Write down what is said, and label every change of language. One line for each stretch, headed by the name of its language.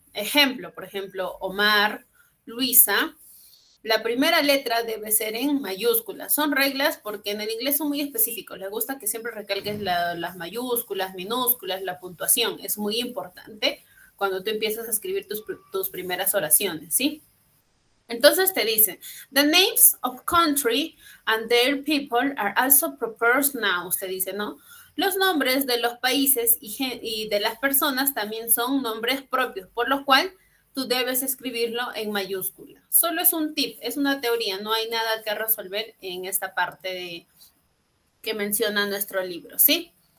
Spanish: Ejemplo, por ejemplo, Omar, Luisa, la primera letra debe ser en mayúsculas. Son reglas porque en el inglés son muy específicos. Les gusta que siempre recalques las mayúsculas, minúsculas, la puntuación. Es muy importante cuando tú empiezas a escribir tus primeras oraciones, ¿sí? Entonces te dice,
English: the names of country and their people are also proper nouns.
Spanish: Te dice, ¿no? Los nombres de los países y de las personas también son nombres propios, por lo cual tú debes escribirlo en mayúscula. Solo es un tip, es una teoría, no hay nada que resolver en esta parte que menciona nuestro libro, ¿sí?